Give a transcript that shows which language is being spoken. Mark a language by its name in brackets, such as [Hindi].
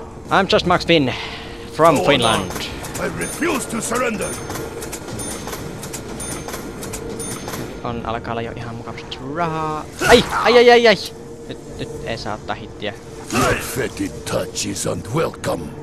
[English] I'm just Max Finn from Finland. I refuse to surrender. [Finnish] On alkaa olla jo ihan mukavasti rahaa. Ai! Nyt ei saa ottaa hittiä. [English] Perfected touch is unwelcome.